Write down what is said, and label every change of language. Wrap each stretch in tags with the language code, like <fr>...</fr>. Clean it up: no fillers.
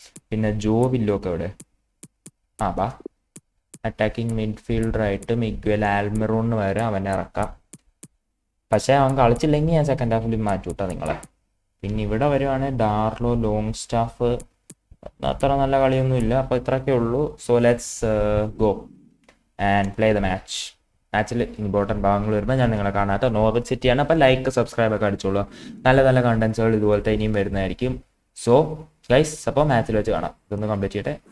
<ml>പിന്നെ ജോ വില്ലോക്ക് എവിടെ? ആ ബാ, അറ്റാക്കിംഗ് മിഡ്ഫീൽഡറായിട്ട് മിഗ്വേൽ ആൽമിറോണിന് വരെ അവനെ ഇറക്കാം. പക്ഷേ അവൻ കളിച്ചില്ലെങ്കിൽ ഞാൻ സെക്കൻഡ് ഹാഫിൽ മാറ്റി വിട്ടാ നിങ്ങളെ. പിന്നെ ഇവിടെ വരുവാണെങ്കിൽ ഡാർലോ ലോങ് സ്റ്റാഫ്, അത്ര നല്ല കളിയൊന്നും ഇല്ല. അപ്പോൾ ഇത്രയൊക്കെ ഉള്ളൂ.</ml> <en>So let's go and play the match.</en> <ml>മാച്ചിൽ ഇമ്പോർട്ടൻ്റ് ഭാഗങ്ങൾ വരുമ്പോൾ ഞാൻ നിങ്ങളെ കാണാത്ത നോർവിച്ച് സിറ്റിയാണ്. അപ്പോൾ ലൈക്ക് സബ്സ്ക്രൈബ് ഒക്കെ അടിച്ചോളൂ. നല്ല നല്ല കണ്ടൻസുകൾ ഇതുപോലത്തെ ഇനിയും വരുന്നതായിരിക്കും. സോ ഗൈസ്, അപ്പോൾ മാച്ചിൽ വെച്ച് കാണാം. ഇതൊന്ന് കമ്പ്ലീറ്റ് ചെയ്യട്ടെ.</ml>